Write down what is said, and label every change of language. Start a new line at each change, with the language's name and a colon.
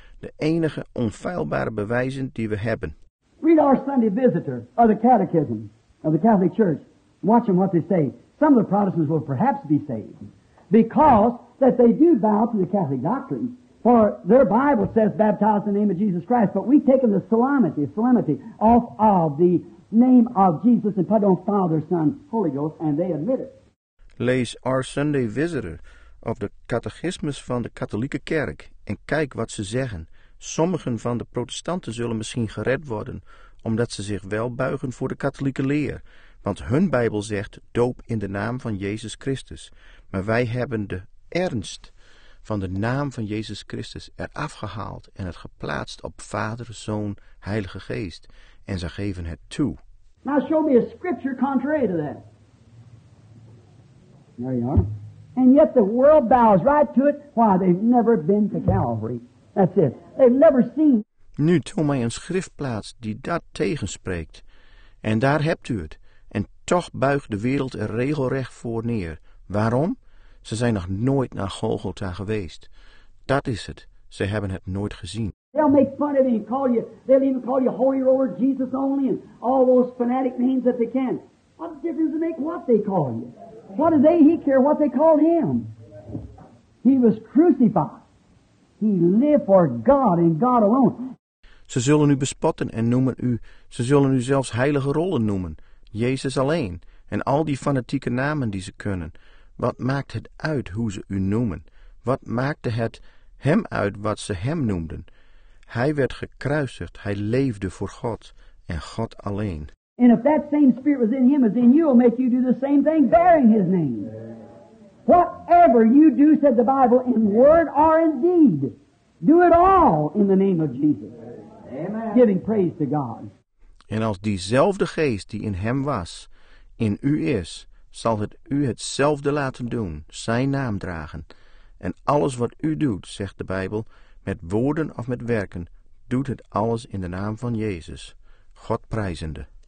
Dutch: De enige onfeilbare bewijzen die we hebben.
English: Read our Sunday visitor, or the catechism, of the Catholic Church. Watch them what they say. Some of the Protestants will perhaps be saved. Because that they do bow to the Catholic doctrine. For their Bible says, baptize in the name of Jesus Christ. But we've taken the solemnity off of the name of Jesus and put on Father, Son, Holy Ghost, and they admit it.
Dutch: Lees Our Sunday Visitor of the Catechismus van de Katholieke Kerk en kijk wat ze zeggen. Sommigen van de protestanten zullen misschien gered worden, omdat ze zich wel buigen voor de katholieke leer. Want hun Bijbel zegt, doop in de naam van Jezus Christus. Maar wij hebben de ernst van de naam van Jezus Christus eraf gehaald en het geplaatst op Vader, Zoon, Heilige Geest. En ze geven het toe.
English: Now show me a scripture contrary to that. There you are. And yet the world bows right to it. Why, they've never been to Calvary. That's it. They've never seen.
Dutch: Nu toon mij een schriftplaats die dat tegenspreekt. En daar hebt u het. En toch buigt de wereld er regelrecht voor neer. Waarom? Ze zijn nog nooit naar Golgotha geweest. Dat is het. Ze hebben het nooit gezien.
English: They'll make fun of you and call you, they'll even call you Holy Roller, Jesus Only, and all those fanatic names that they can. What difference does it make what they call you? What does he care what they call him? He was crucified. He lived for God and God alone.
Dutch: Ze zullen u bespotten en noemen u, ze zullen u zelfs heilige rollen noemen, Jezus alleen, en al die fanatieke namen die ze kunnen. Wat maakt het uit hoe ze u noemen? Wat maakte het hem uit wat ze hem noemden? Hij werd gekruisigd, hij leefde voor God en God alleen.
English: And if that same spirit was in him as in you, it'll make you do the same thing bearing his name. Whatever you do, said the Bible, in word or in deed, do it all in the name of Jesus. Amen. Giving praise to God.
Dutch: En als diezelfde geest die in hem was, in u is, zal het u hetzelfde laten doen, zijn naam dragen. En alles wat u doet, zegt de Bijbel, met woorden of met werken, doet het alles in de naam van Jezus, God prijzende.